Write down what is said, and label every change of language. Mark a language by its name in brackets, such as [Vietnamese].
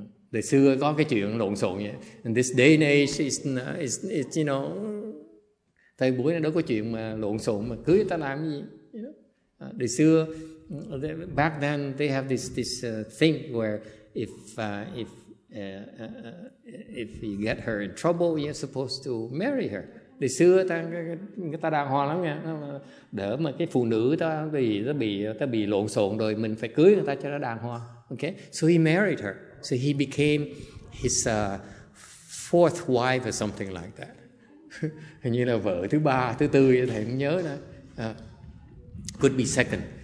[Vietnamese] Đời xưa có cái chuyện lộn xộn vậy. [English] In this day and age is you know, [Vietnamese] thời buổi này đâu có chuyện mà lộn xộn mà cưới ta làm gì. Đời xưa [English] back then they have this thing where if you get her in trouble, you're supposed to marry her. [Vietnamese] Đời xưa ta người ta đàng hoàng lắm nha, đỡ mà cái phụ nữ ta bị lộn xộn rồi mình phải cưới người ta cho nó đàng hoàng. [English] Okay, so he married her, so he became his fourth wife or something like that. [Vietnamese] Hình như là vợ thứ ba thứ tư vậy, thầy không nhớ nữa. [English] Could be second.